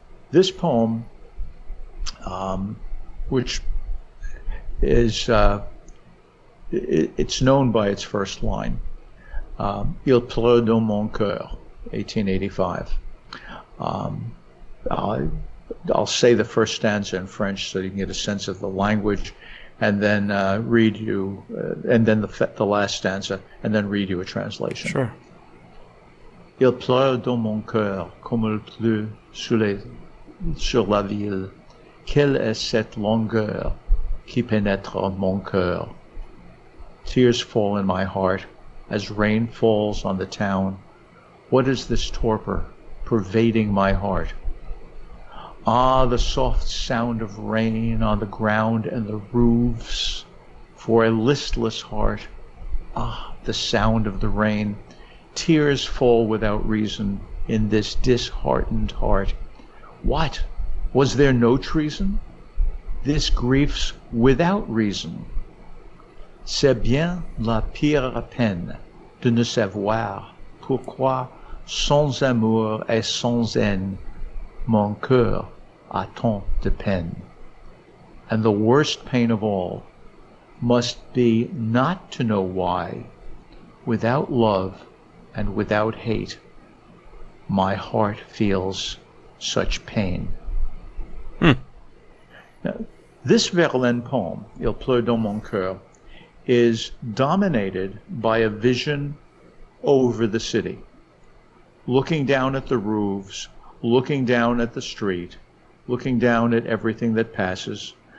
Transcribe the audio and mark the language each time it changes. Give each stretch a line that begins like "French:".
English: This poem, which is, it's known by its first line, Il pleut dans mon cœur, 1885. I'll say the first stanza in French so you can get a sense of the language, and then read you, and then the last stanza, and then read you a translation. Sure.
French: Il pleut dans mon cœur comme il pleut sur la ville. Quelle est cette longueur qui pénètre mon cœur?
English: Tears fall in my heart as rain falls on the town. What is this torpor pervading my heart? Ah, the soft sound of rain on the ground and the roofs for a listless heart. Ah, the sound of the rain. Tears fall without reason in this disheartened heart. What? Was there no treason? This grief's without reason.
French: C'est bien la pire peine de ne savoir pourquoi sans amour et sans haine mon cœur a tant de peine.
English: And the worst pain of all must be not to know why, without love and without hate, my heart feels such pain. Hmm. Now, this Verlaine poem, Il pleut dans mon cœur, is dominated by a vision over the city, looking down at the roofs, looking down at the street, looking down at everything that passes.